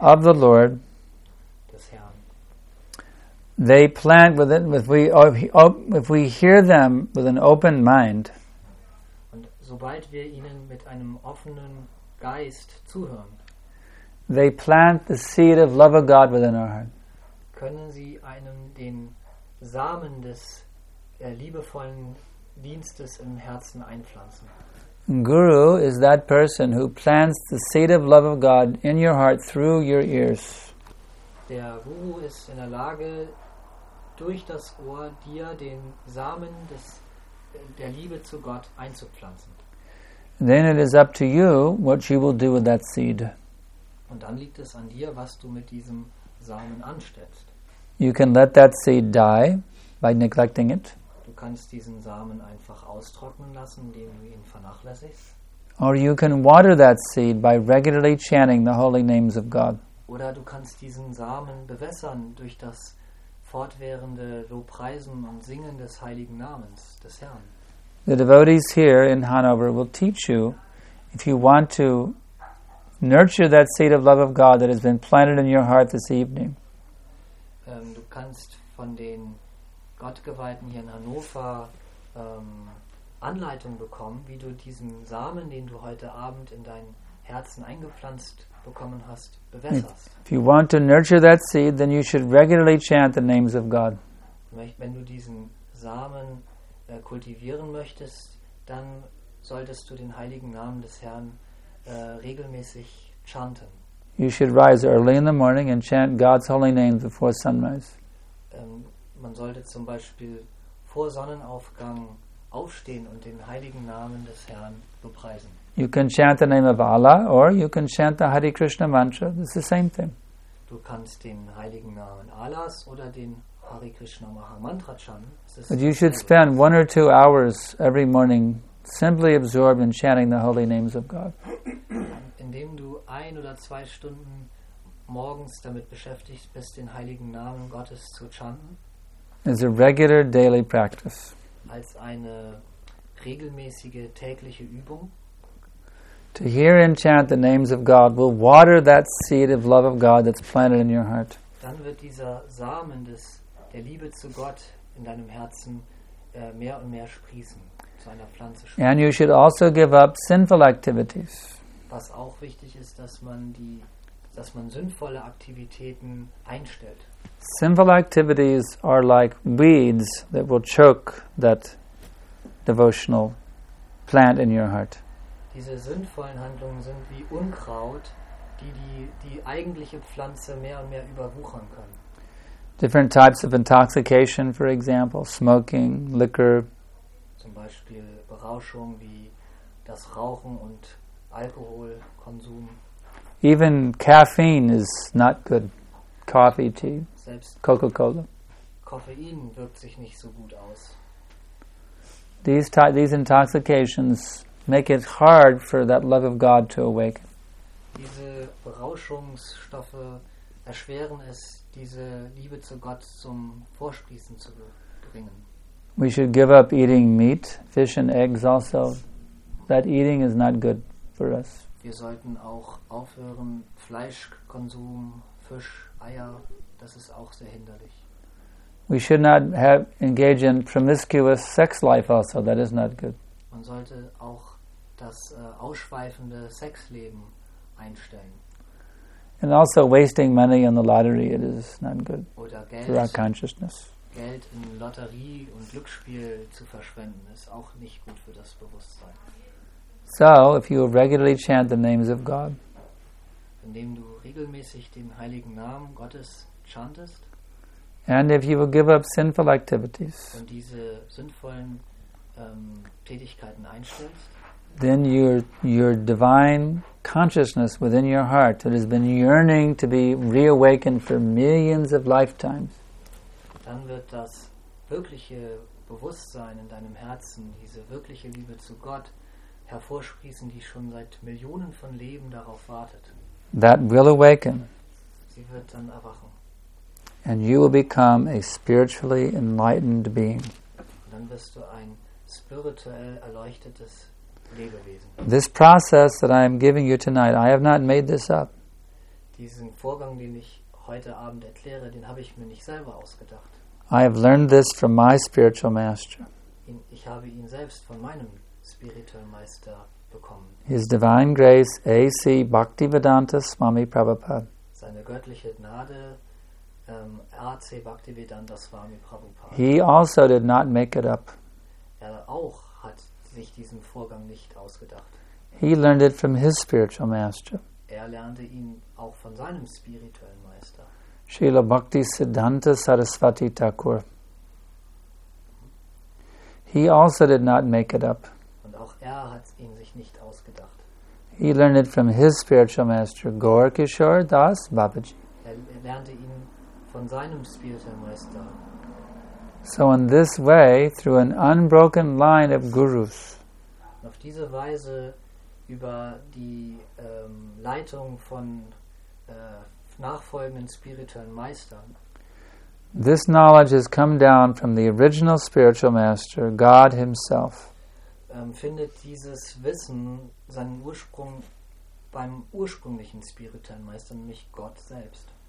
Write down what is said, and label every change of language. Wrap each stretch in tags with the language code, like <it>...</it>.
<en>of the Lord,</en> <de>des Herrn,</de> <en>they plant within, if we hear them with an open mind,</en> <de>und sobald wir ihnen mit einem offenen Geist zuhören,</de> <en>they plant the seed of love of God within our heart.</en> <de>Können sie einem den Samen des liebevollen Dienstes im Herzen einpflanzen?</de> <en>Guru is that person who plants the seed of love of God in your heart through your ears.</en> <de>Der Guru ist in der Lage, durch das Ohr dir den Samen des der Liebe zu Gott einzupflanzen.</de> <en>Then it is up to you what you will do with that seed.</en> <de>Und dann liegt es an dir, was du mit diesem Samen anstellst.</de> <en>You can let that seed die by neglecting it.</en> <de>Du kannst diesen Samen einfach austrocknen lassen, indem du ihn vernachlässigst.</de> <en>Or you can water that seed by regularly chanting the holy names of God.</en> <de>Oder du kannst diesen Samen bewässern durch das fortwährende Lobpreisen und Singen des heiligen Namens des Herrn.</de> <en>The devotees here in Hanover will teach you, if you want to nurture that seed of love of God that has been planted in your heart this evening.</en> <de>Du kannst von den Gottgeweihten hier in Hannover Anleitung bekommen, wie du diesen Samen, den du heute Abend in dein Herzen eingepflanzt bekommen hast, bewässerst.</de> <en>If you want to nurture that seed, then you should regularly chant the names of God.</en> <de>Wenn du diesen Samen kultivieren möchtest, dann solltest du den heiligen Namen des Herrn regelmäßig chanten.</de> <en>You should rise early in the morning and chant God's holy name before sunrise.</en> <de>Man sollte zum Beispiel vor Sonnenaufgang aufstehen und den heiligen Namen des Herrn bepreisen.</de> <en>You can chant the name of Allah or you can chant the Hare Krishna mantra. It's the same thing.</en> <de>Du kannst den heiligen Namen Allahs oder den Hare Krishna Mahamantra chanten.</de> <en>But you should spend one or two hours every morning simply absorbed in chanting the holy names of God.</en> <de>Indem du ein oder zwei Stunden morgens damit beschäftigt bist, den heiligen Namen Gottes zu chanten,</de> <en>as a regular daily practice,</en> <de>als eine regelmäßige tägliche Übung,</de> <en>to hear and chant the names of God will water that seed of love of God that's planted in your heart.</en> <de>Dann wird dieser Samen des der Liebe zu Gott in deinem Herzen mehr und mehr sprießen.</de> <en>And you should also give up sinful activities.</en> <de>Was auch wichtig ist, dass man sinnvolle Aktivitäten einstellt.</de> <en>Sinful activities are like weeds that will choke that devotional plant in your heart.</en> <de>Diese sinnvollen Handlungen sind wie Unkraut, die eigentliche Pflanze mehr und mehr überwuchern kann.</de> <en>Different types of intoxication, for example, smoking, liquor,</en> <de>zum Beispiel Berauschung wie das Rauchen und Alkoholkonsum.</de> <en>Even caffeine is not good. Coffee, tea,</en> <de>selbst</de> <en>Coca-Cola.</en> <de>Koffein wirkt sich nicht so gut aus.</de> <en>These intoxications make it hard for that love of God to awaken.</en> <de>Diese Berauschungsstoffe erschweren es, diese Liebe zu Gott zum Vorsprießen zu bringen.</de> <en>We should give up eating meat, fish and eggs also. That eating is not good for us.</en> <de>Wir sollten auch aufhören, Fleischkonsum, Fisch, Eier, das ist auch sehr hinderlich.</de> <en>We should not engage in promiscuous sex life also, that is not good.</en> <de>Man sollte auch das ausschweifende Sexleben einstellen.</de> <en>And also wasting money on the lottery, it is not good</en> <de>Oder Geld,</de> <en>for our consciousness.</en> <de>Geld in Lotterie und Glücksspiel zu verschwenden, ist auch nicht gut für das Bewusstsein.</de> <en>So, if you regularly chant the names of God,</en> <de>indem du regelmäßig den heiligen Namen Gottes chantest,</de> <en>and if you will give up sinful activities,</en> <de>und diese sinnvollen Tätigkeiten einstellst,</de> <en>then your divine consciousness within your heart that has been yearning to be reawakened for millions of lifetimes,</en> <de>dann wird das wirkliche Bewusstsein in deinem Herzen, diese wirkliche Liebe zu Gott, hervorsprießen, die schon seit Millionen von Leben darauf wartet.</de> <en>That will awaken.</en> <de>Sie wird dann erwachen.</de> <en>And you will become a spiritually enlightened being.</en> <de>Und dann wirst du ein spirituell erleuchtetes Lebewesen.</de> <en>This process that I am giving you tonight, I have not made this up.</en> <de>Diesen Vorgang, den ich heute Abend erkläre, den habe ich mir nicht selber ausgedacht.</de> <en>I have learned this from my spiritual master.</en> <de>Ich habe ihn selbst von meinem spirituellen Meister bekommen.</de> <en>His Divine Grace A.C. Bhaktivedanta Swami Prabhupada.</en> <de>Seine göttliche Gnade A.C. Bhaktivedanta Swami Prabhupada.</de> <en>He also did not make it up.</en> <de>Er auch hat sich diesen Vorgang nicht ausgedacht.</de> <en>He learned it from his spiritual master.</en> <de>Er lernte ihn auch von seinem spirituellen Meister.</de> <en>Srila Bhakti Siddhanta Saraswati Thakur. He also did not make it up.</en> <de>Und auch er hat ihn sich nicht ausgedacht.</de> <en>He learned it from his spiritual master, Gaurakishore Das Babaji.</en> <de>Er lernte ihn von seinem spirituellen Meister.</de> <en>So in this way, through an unbroken line of Gurus,</en> <de>und auf diese Weise über die Leitung von nachfolgenden spirituellen Meistern.</de> <en>This knowledge has come down from the original spiritual master, God himself.</en> <de>Findet dieses Wissen seinen Ursprung beim ursprünglichen spirituellen Meister, nämlich Gott selbst.</de>